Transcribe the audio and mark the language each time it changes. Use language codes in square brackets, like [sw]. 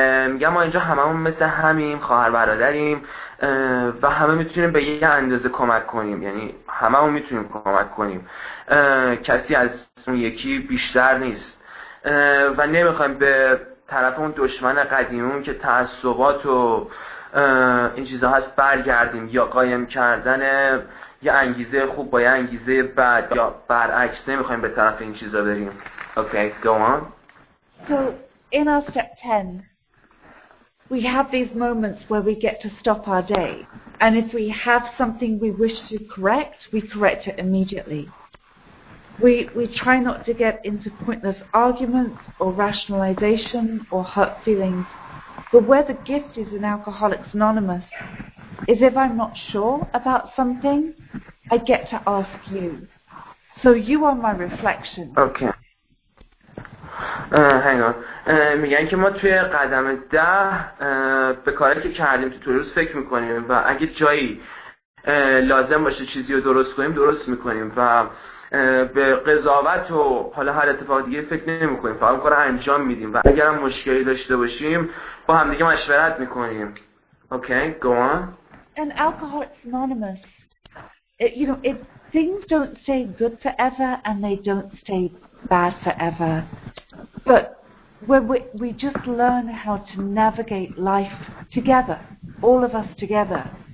[fa] میگن ما اینجا هممون مثل همیم، خواهر برادریم و همه میتونیم به یه اندازه کمک کنیم، یعنی هممون میتونیم کمک کنیم، کسی از اون یکی بیشتر نیست و نمیخوایم به طرف اون دشمن قدیمون که تعصبات و این چیزا هست برگردیم، یا قایم کردن یه انگیزه خوب با یه انگیزه بد یا برعکس. نمیخوایم به طرف این چیزا بریم. [en] Okay, go on. So in our step 10 we have these moments where we get to stop our day, and if we have something we wish to correct, we correct it immediately. We try not to get into pointless arguments or rationalization or hurt feelings. But where the gift is in Alcoholics Anonymous is if I'm not sure about something, I get to ask you. So you are my reflection. Okay. Hang on. [fa] میگن که ما توی قدم ده به کاری که کردیم تو روز فکر میکنیم و اگه جایی لازم باشه چیزی رو درست کنیم درست میکنیم و به قضاوت و حالا هر اتفاق دیگه فکر نمی کنیم، فقط کار انجام میدیم و اگر هم مشکلی داشته باشیم با هم دیگه مشورت میکنیم. [en] Okay, go on. And Alcoholics Anonymous, things don't stay good forever and they don't stay bad forever, but we just learn how to navigate life together, all of us together.